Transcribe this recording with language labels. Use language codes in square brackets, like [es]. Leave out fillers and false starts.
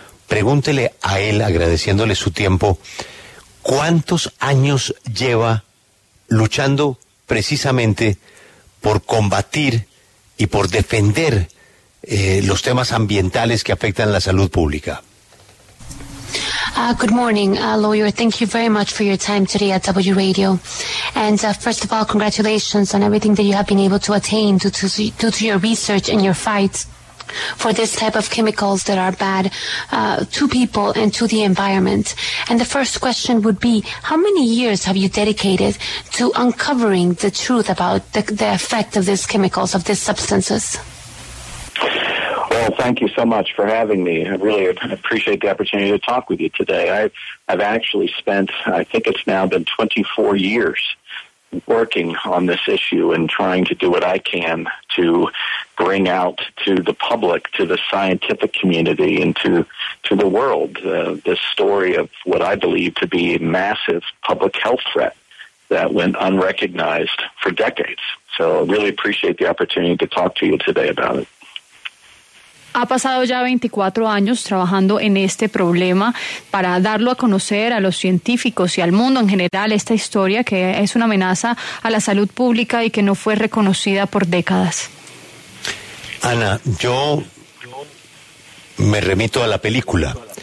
[es] Pregúntele a él, agradeciéndole su tiempo, ¿cuántos años lleva luchando precisamente por combatir y por defender los temas ambientales que afectan la salud pública? [en] Good morning, lawyer. Thank you very much for your time today at W Radio. And first of all, congratulations on everything that you have been able to attain due to your research and your fight for this type of chemicals that are bad to people and to the environment. And the first question would be, how many years have you dedicated to uncovering the truth about the effect of these chemicals, of these substances? Well, thank you so much for having me. I really appreciate the opportunity to talk with you today. I've actually spent, I think it's now been 24 years working on this issue and trying to do what I can to bring out to the public, to the scientific community, and to the world this story of what I believe to be a massive public health threat that went unrecognized for decades. So I really appreciate the opportunity to talk to you today about it. [es] ha pasado ya 24 años trabajando en este problema para darlo a conocer a los científicos y al mundo en general esta historia, que es una amenaza a la salud pública y que no fue reconocida por décadas. Ana, yo me remito a la película.